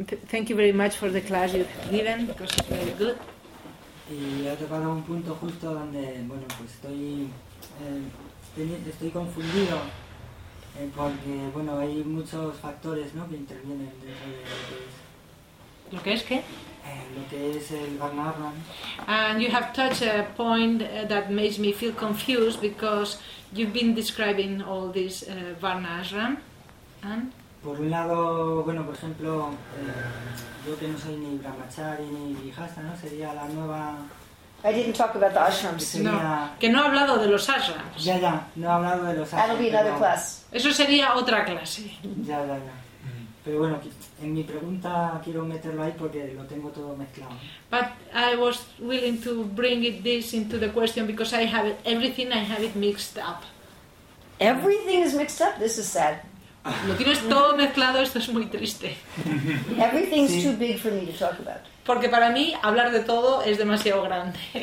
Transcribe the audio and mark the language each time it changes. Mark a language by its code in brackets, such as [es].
[en] Thank you very much for the class you've given. Because it's very good. [es] Y ha tocado un punto justo donde, bueno, pues estoy confundido. Porque, bueno, hay muchos factores, ¿no?, que intervienen dentro de lo que es... ¿Lo que es qué? Lo que es el Varnabha. [en] And you have touched a point that makes me feel confused because you've been describing all this Varnabha. And? [es] Por un lado, bueno, por ejemplo, yo que no soy ni brahmachari ni grihasta, ¿no?, sería la nueva... [en] I didn't talk about the ashrams. [es] No, que no ha hablado de los ashrams. Ya, no ha hablado de los ashrams. [en] That'll be another class. [es] Eso sería otra clase. Ya. Pero bueno, en mi pregunta quiero meterlo ahí porque lo tengo todo mezclado. [en] But I was willing to bring this into the question because I have it, everything I have it mixed up. Everything is mixed up? This is sad. [es] Lo tienes todo mezclado, esto es muy triste. [en] Everything's [es] sí. [en] Too big for me to talk about. [es] Porque para mí hablar de todo es demasiado grande.